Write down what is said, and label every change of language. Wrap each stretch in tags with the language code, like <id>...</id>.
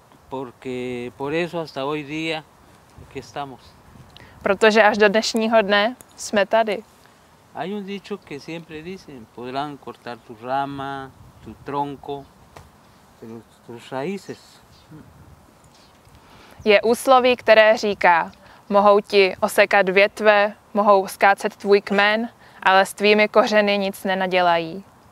<es>Porque por eso hasta hoy día aquí estamos.</es> <cs>Protože až do dnešního dne jsme tady.</cs> <es>Hay un dicho que siempre dicen, podrán cortar tu rama, tu tronco, pero tus raíces.</es> <cs>Je úsloví, které říká, mohou ti osekat větve, mohou skácet tvůj kmen, ale s tvými kořeny nic nenadělají.</cs>